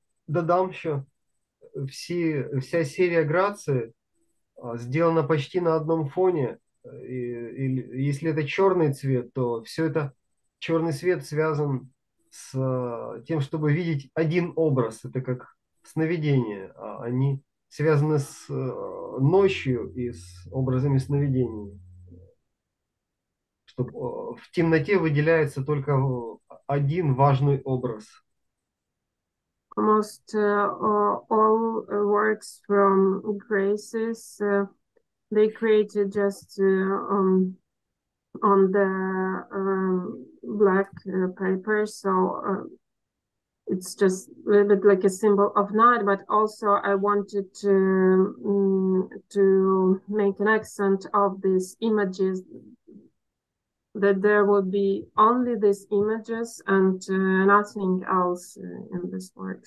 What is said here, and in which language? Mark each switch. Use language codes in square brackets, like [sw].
[uk] Додам, що [ru] вся серія Грації сделана почти на одном фоне. И если это черный цвет, то все это черный свет связан с тем, чтобы видеть один образ. Это как сновидение. Они связаны с ночью и с образами сновидений. Чтобы в темноте выделяется только один важный образ. [en] Almost all works from Graces, they created just on the black paper. So it's just a little bit like a symbol of night, but also I wanted to make an accent of these images, that there would be only these images and nothing else in this work.